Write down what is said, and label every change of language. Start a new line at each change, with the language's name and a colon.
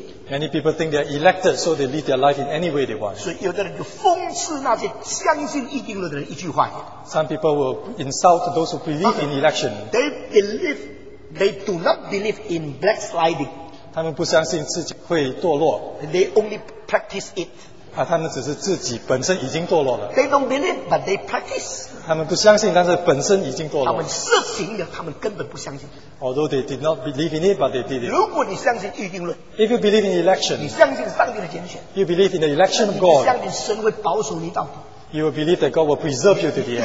English: Many people think they are elected, so they live their life in any way they want.
Chinese: 所以有的人就讽刺那些相信一定论的人一句话,
English: some people will insult those who believe in election. They do not believe in backsliding.
Chinese: 他们不相信自己会堕落,
English: they only practice it.
Chinese: 他们只是自己本身已经堕落了,
English: they don't believe, but they practice.
Chinese: 他们不相信, 但是本身已经堕落了, 他们设行的, 他们根本不相信,
English: although they did not believe in it, but they did it.
Chinese: 如果你相信预定论,
English: if you believe in election,
Chinese: 你相信上帝的拣选,
English: you believe in the election of God,
Chinese: 你相信神会保守你到底,
English: you will believe that God will preserve you to the end.